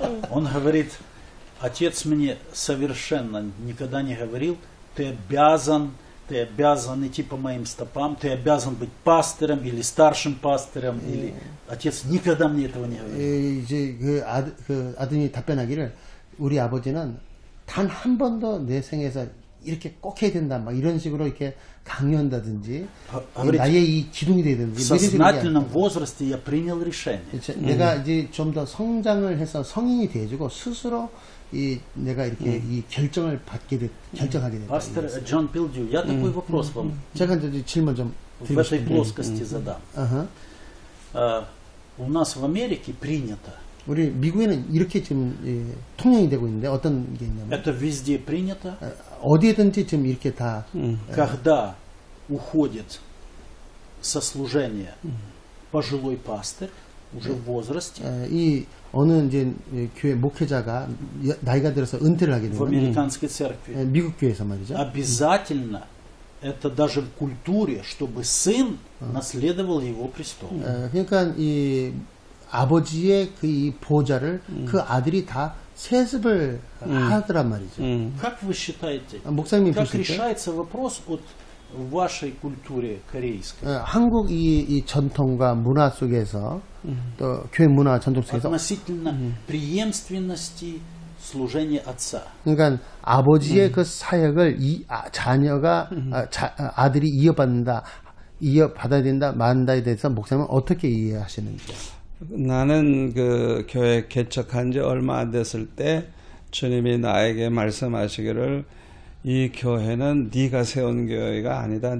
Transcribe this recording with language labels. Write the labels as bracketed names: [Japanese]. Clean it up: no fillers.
[Russian] Он говорит, отец мне совершенно никогда не говорил, ты обязан идти по моим стопам, ты обязан быть пастором или старшим пастором, или отец никогда мне этого не говорил. [Korean] 이제 그 아드님이 답변하기를 우리 아버지는 단 한 번도 내 생에서 이렇게 꼭 해야 된다, 막 이런 식으로 이렇게 강요한다든지 나의 이 기둥이 되든지. [Russian] В сознательном возрасте я принял решение. [Korean] 내가 이제 좀 더 성장을 해서 성인이 되어주고 스스로 이 내가 이렇게 이 결정을 받게 됐, 결정하게 됐다. [Russian] Пастор Джон Пилдью, я такой вопрос вам. [Korean] 제가 이제 질문 좀 드릴게요. [Russian] В этой плоскости задам. У нас в Америке принято. [Korean] 우리 미국에는 이렇게 지금 예, 통용이 되고 있는데 어떤 게 있냐면 [Russian] Это везде принято. [Korean] 어디든지 지금 이렇게 다 [Russian] Когда уходит со служения пожилой пастор уже в возрасте. [Korean] 이 어느 이제 교회 목회자가 나이가 들어서 은퇴를 하게 되면 [Russian] В американской церкви. [Korean] 미국 교회에서 말이죠. [Russian] Обязательно это даже в культуре, чтобы сын наследовал его престол. [Korean] 그러니까 이 아버지의 그 이 보좌를 그 아들이 다 세습을 하더란 말이죠. [Russian] Как вы считаете? [Korean] 목사님이 [Russian] как решается вопрос от вашей культуре корейской? [Korean] 한국 이 전통과 문화 속에서 또 교회 문화 전통 속에서 [Russian] относительно преемственности служения отца. [Korean] 그러니까 아버지의 그 사역을 이 자녀가 아들이 이어받는다, 이어받아야 된다, 만다에 대해서 목사님은 어떻게 이해하시는지? 나는 그 교회 개척한 지 얼마 안 됐을 때 주님이 나에게 말씀하시기를 이 교회는 네가 세운 교회가 아니다.